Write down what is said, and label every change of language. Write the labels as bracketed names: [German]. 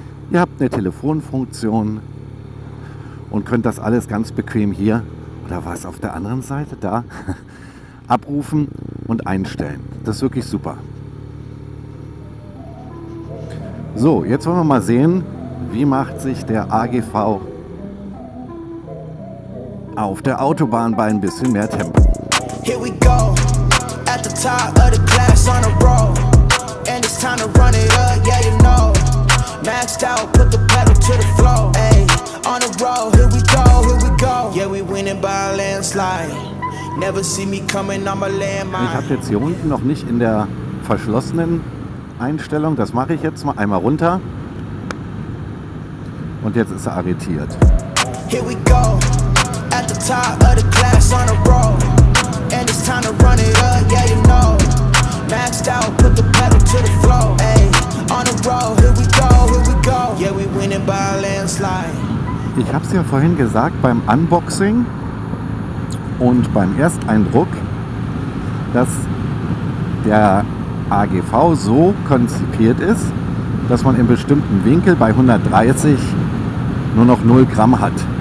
[German] Ihr habt eine Telefonfunktion und könnt das alles ganz bequem hier oder was auf der anderen Seite da abrufen und einstellen. Das ist wirklich super. So, jetzt wollen wir mal sehen, wie macht sich der AGV auf der Autobahn bei ein bisschen mehr Tempo. [English] Here we go, at the top of the class on a roll. And it's time to run it up, yeah you know. Maxed out, put the pedal to the floor. Ay, on a roll, here we go. Yeah, we winning by a landslide. Never see me coming on my landmine. [German] Ich hab jetzt hier unten noch nicht in der verschlossenen Einstellung. Das mache ich jetzt mal einmal runter. Und jetzt ist er arretiert. [English] Here we go, at the top of the class on a roll. And it's time to run it up, yeah you know. Maxed out, put the pedal to the floor. Ay, on a roll, here we go, yeah we winning by a landslide. [German] Ich hab's ja vorhin gesagt, beim Unboxing und beim Ersteindruck, dass der AGV so konzipiert ist, dass man im bestimmten Winkel bei 130 nur noch 0 Gramm hat.